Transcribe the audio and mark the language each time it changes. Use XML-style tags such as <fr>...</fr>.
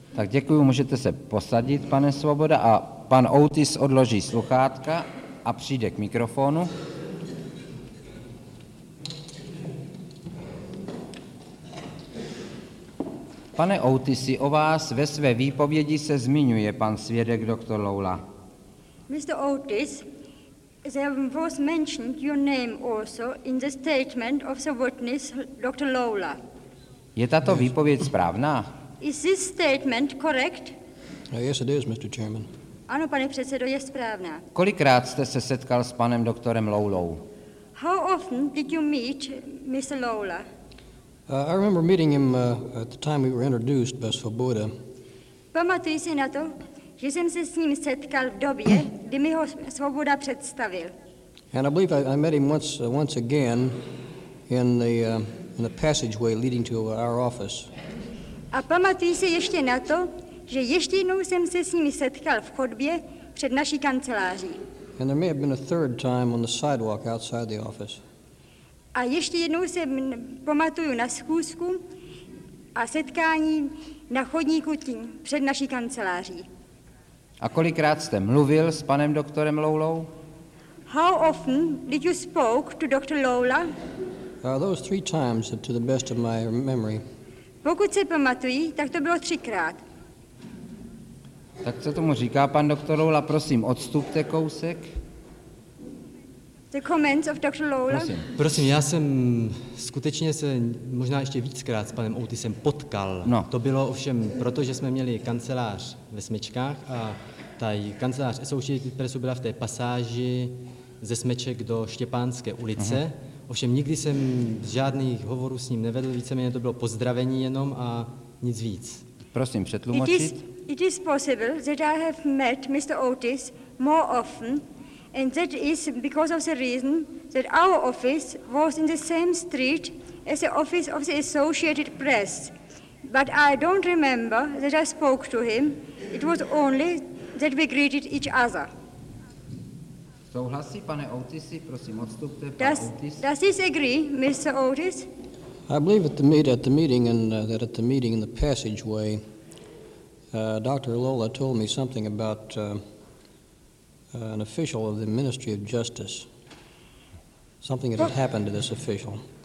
<cs>Tak děkuji, můžete se posadit, pane Svoboda, a pan Otis odloží sluchátka a přijde k mikrofonu. Pane Otisi, o vás ve své výpovědi se zmiňuje pan svědek doktor Loula.</cs> <en>Mr. Otis, there was mentioned your name also in the statement of the witness Dr. Loula.</en> <cs>Je tato výpověď správná?</cs> <en>Is this statement correct? Yes, it is, Mr. Chairman.</en> <cs>Ano, pane předsedo, je správná. Kolikrát jste se setkal s panem doktorem Loulou?</cs> <en>How often did you meet Mr. Loula? I remember meeting him at the time we were introduced by Svoboda.</en> <cs>Pamatuji si na to, že jsem se s ním setkal v době, kdy mi ho Svoboda představil.</cs> <en>And I believe I met him once again in the passageway leading to our office.</en> <cs>A pamatuji se ještě na to, že ještě jednou jsem se s nimi setkal v chodbě před naší kanceláří.</cs> <en>And there may have been a third time on the sidewalk outside the office.</en> <cs>A ještě jednou se pamatuju na schůzku a setkání na chodníku tím před naší kanceláří. A kolikrát jste mluvil s panem doktorem Loulou?</cs> <en>How often did you spoke to Dr. Loula? Those three times, to the best of my memory.</en> <cs>Pokud se pamatuji, tak to bylo třikrát. Tak co tomu říká pan doktor Loula? Prosím, odstupte kousek.</cs> <en>The comments of Dr. Loula.</en> <cs>Prosím. Prosím, já jsem skutečně se možná ještě víckrát s panem Otisem potkal. No. To bylo ovšem proto, že jsme měli kancelář ve Smečkách a ta kancelář Associated Pressu byla v té pasáži ze Smeček do Štěpánské ulice. Uh-huh. Ovšem nikdy jsem žádných hovorů s ním nevedl, víceméně to bylo pozdravení jenom a nic víc. Prosím, přetlumočit.</cs> <en>It is possible that I have met Mr. Otis more often, and that is because of the reason that our office was in the same street as the office of the Associated Press. But I don't remember that I spoke to him. It was only that we greeted each other.</en> <cs>Souhlasí, pane Otisi, prosím, odstupte,</cs> <en>Does this agree, Mr. Otis? I believe at the meeting in the passageway, Dr. Loula told me something about an official of the Ministry of Justice. Something that had happened to this official.</en>